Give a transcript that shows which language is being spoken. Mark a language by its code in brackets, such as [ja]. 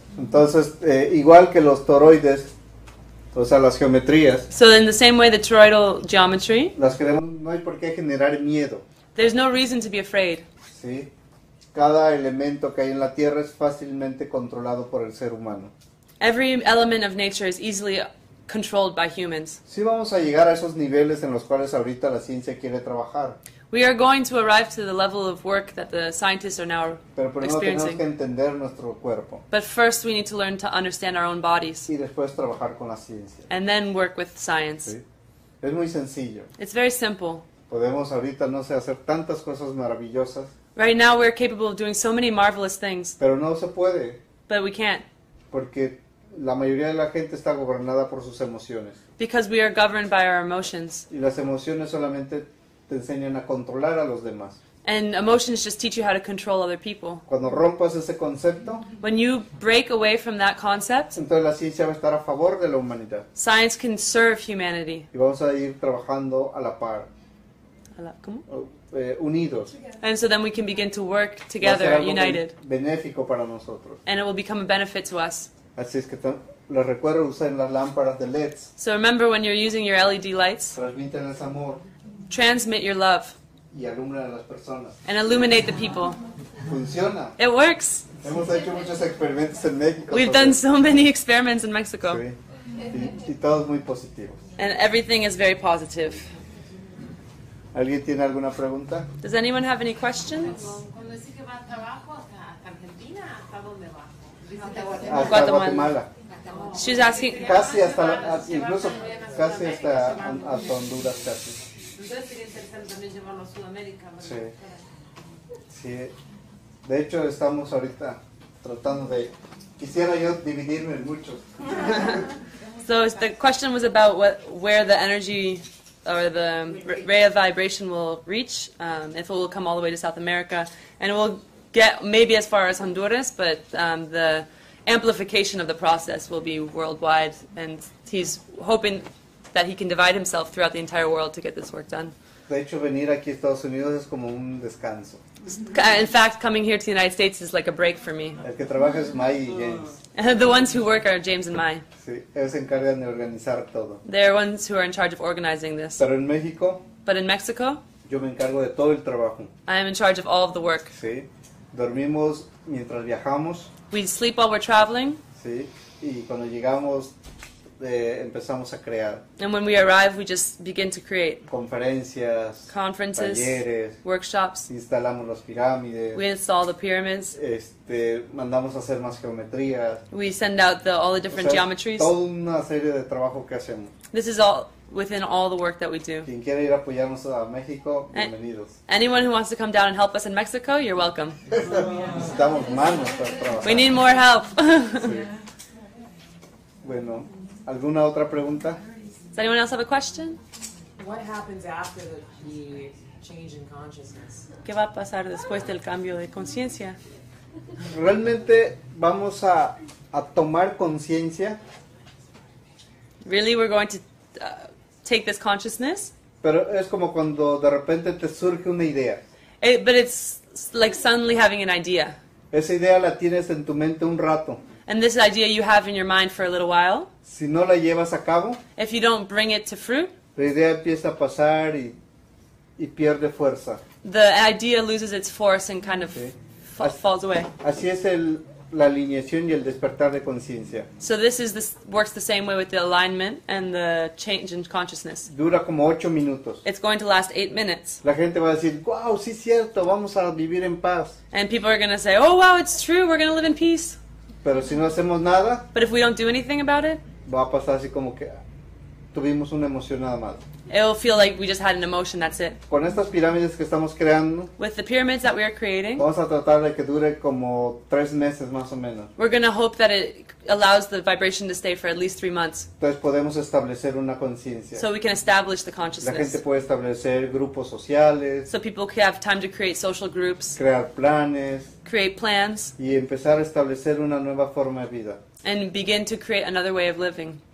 [es] Entonces, igual que los toroides, o sea, las geometrías. [en] So in the same way, the toroidal geometry. [es] Las queremos, no hay por qué generar miedo. [en] There's no reason to be afraid. [es] Sí. Cada elemento que hay en la Tierra es fácilmente controlado por el ser humano. [en] Every element of nature is easily controlled by humans. [es] Sí, vamos a llegar a esos niveles en los cuales ahorita la ciencia quiere trabajar. [en] We are going to arrive to the level of work that the scientists are now [es] pero primero [en] experiencing. [es] Tenemos que entender nuestro cuerpo. [en] But first we need to learn to understand our own bodies. [es] Y después trabajar con la ciencia. [en] And then work with science. [es] Sí. Es muy sencillo. [en] It's very simple. [es] Podemos ahorita, no sé, hacer tantas cosas maravillosas. [en] Right now we're capable of doing so many marvelous things. [es] Pero no se puede. [en] But we can't. [es] Porque la mayoría de la gente está gobernada por sus emociones. [en] Because we are governed by our emotions. [es] Y las emociones solamente te enseñan a controlar a los demás. [en] And emotions just teach you how to control other people. [es] Cuando rompas ese concepto, [en] when you break away from that concept, [es] entonces la ciencia va a estar a favor de la humanidad. [en] Science can serve humanity. [es] Y vamos a ir trabajando a la par. ¿Cómo? Unidos. [en] And so then we can begin to work together, united. [es] Va a ser algo benéfico para nosotros. [en] And it will become a benefit to us. [es] Así es que les recuerdo usar las lámparas de LEDs. [en] So remember when you're using your LED lights, [es] transmiten ese amor. [en] Transmit your love. [es] Y alumbra a las personas. [en] And illuminate the people. [es] Funciona. [en] It works. [es] Hemos hecho muchos experimentos en México. [en] We've done so many experiments in Mexico. [es] Sí. Y todos muy positivos. [en] And everything is very positive. [es] ¿Alguien tiene alguna pregunta? [en] Does anyone have any questions? [es] Cuando dice que va a trabajo hasta Argentina, ¿hasta dónde va? Hasta Guatemala. [en] She's asking. [es] Casi hasta, incluso casi hasta Honduras, casi. Entonces sería interesante también llevarlo a Sudamérica, ¿verdad? Sí. De hecho, estamos ahorita tratando de... Quisiera yo dividirme en muchos. [en] So the question was about where the energy or the ray of vibration will reach, if it will come all the way to South America, and it will get maybe as far as Honduras, but the amplification of the process will be worldwide, and he's hoping that he can divide himself throughout the entire world to get this work done. [es] De hecho, venir aquí a Estados Unidos es como un descanso. [en] In fact, coming here to the United States is like a break for me. [es] El que trabaja es Maya y James. [en] The ones who work are James and Maya. [es] Sí, ellos se encargan de organizar todo. [en] They're ones who are in charge of organizing this. [es] Pero en México. [en] But in Mexico. [es] Yo me encargo de todo el trabajo. [en] I am in charge of all of the work. [es] Sí, dormimos mientras viajamos. [en] We sleep while we're traveling. [es] Sí, y cuando llegamos. Empezamos a crear. [en] And when we arrive, we just begin to create. [es] Conferencias, [en] conferences, [es] talleres, [en] workshops. [es] Instalamos las pirámides. [en] We install the pyramids. [es] Mandamos a hacer más geometrías. [en] We send out all the different geometries. [es] Toda una serie de trabajo que hacemos. [en] This is all within all the work that we do. [es] Quien quiere ir a apoyarnos a México, bienvenidos. [en] Anyone who wants to come down and help us in Mexico, you're welcome. [es] Necesitamos manos para trabajar. [en] We need more help. [es] Bueno. ¿Alguna otra pregunta? [en] Does anyone else have a question? What happens after the change in consciousness? [es] ¿Qué va a pasar después del cambio de conciencia? Realmente vamos a tomar conciencia. [en] Really, we're going to take this consciousness? [es] Pero es como cuando de repente te surge una idea. [en] But it's like suddenly having an idea. [es] Esa idea la tienes en tu mente un rato. [en] And this idea you have in your mind for a little while. [es] Si no la llevas a cabo, [en] if you don't bring it to fruit, [es] la idea empieza a pasar y pierde fuerza. [en] The idea loses its force and kind of falls away. [es] Así es la alineación y el despertar de conciencia. [en] So this works the same way with the alignment and the change in consciousness. [es] Dura como 8 minutos. [en] It's going to last 8 minutes. [es] La gente va a decir, wow, sí es cierto, vamos a vivir en paz. [en] And people are going to say, oh wow, it's true, we're going to live in peace. [es] Pero si no hacemos nada, [en] but if we don't do anything about it, [es] va a pasar así como que tuvimos una emoción nada más. [en] It'll feel like we just had an emotion, that's it. [es] Con estas pirámides que estamos creando, [en] with the pyramids that we are creating, [es] vamos a tratar de que dure como 3 meses más o menos. [en] We're going to hope that it allows the vibration to stay for at least 3 months. [es] Entonces podemos establecer una conciencia. [en] So we can establish the consciousness. [es] La gente puede establecer grupos sociales. [en] So people can have time to create social groups. [es] Crear planes. [en] Create plans. [es] Y empezar a establecer una nueva forma de vida. [en] And begin to create another way of living.